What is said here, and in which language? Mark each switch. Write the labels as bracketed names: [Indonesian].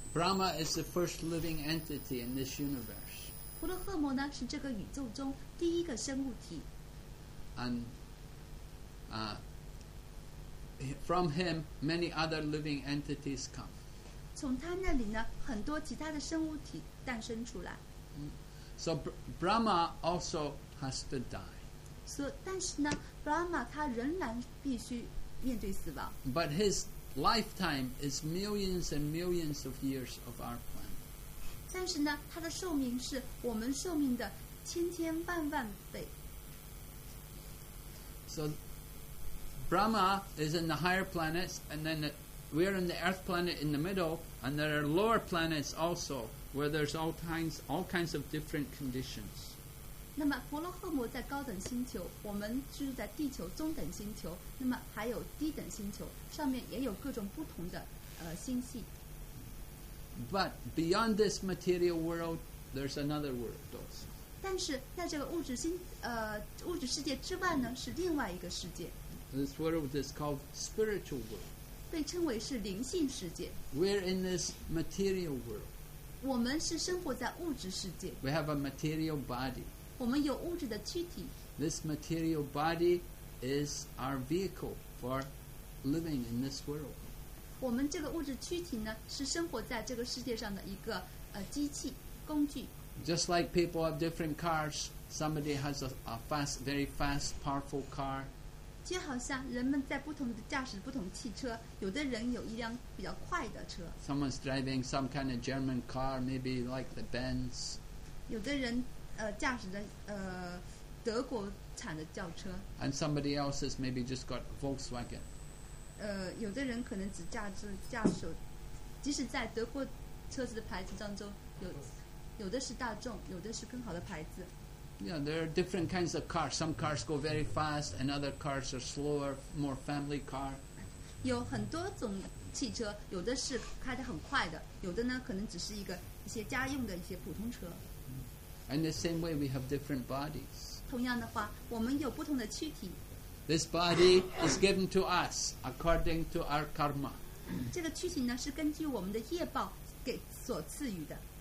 [English] Brahma is the first living entity in this universe. [Chinese] 婆罗奋摩呢是这个宇宙中第一个生物体。 [English] And from him, many other living entities come. [Chinese] 从他那里呢，很多其他的生物体诞生出来。 [English] So Brahma also has to die. [Chinese] So, 但是呢 ，Brahma 他仍然必须面对死亡。 [English] But his lifetime is millions and millions of years of our planet. [Chinese] 但是呢，他的寿命是我们寿命的千千万万倍。 [English] So Brahma is in the higher planets, and then we are in the Earth planet in the middle, and there are lower planets also. Where there's all kinds of different conditions. [Chinese] 那么婆罗诃摩在高等星球，我们居住在地球中等星球，那么还有低等星球，上面也有各种不同的星系。 [English] But beyond this material world, there's another world also. [Chinese] 但是在这个物质世界之外呢，是另外一个世界。 [English] This world is called spiritual world. [Chinese] 被称为是灵性世界。 [English] We're in this material world. [Chinese] 我们是生活在物质世界。 [English] We have a material body. [Chinese] 我们有物质的躯体。 [English] This material body is our vehicle for living in this world. [Chinese] 我们这个物质躯体呢，是生活在这个世界上的一个机器工具。 [English] Just like people have different cars, somebody has a fast, very fast, powerful car. [Chinese] 就好像人们在不同的驾驶不同汽车，有的人有一辆比较快的车。 [English] Someone's driving some kind of German car, maybe like the Benz. [Chinese] 有的人驾驶的德国产的轿车。 [English] And somebody else's maybe just got Volkswagen. [Chinese] 有的人可能只驾驶，即使在德国车子的牌子当中，有的是大众，有的是更好的牌子。 [English] Yeah, there are different kinds of cars. Some cars go very fast, and other cars are slower, more family car. [Chinese] 有很多种汽车，有的是开得很快的，有的呢可能只是一些家用的一些普通车。 [English] And the same way, we have different bodies. [Chinese] 同样的话，我们有不同的躯体。 [English] This body is given to us according to our karma. [Chinese] 这个躯体呢是根据我们的业报给所赐予的。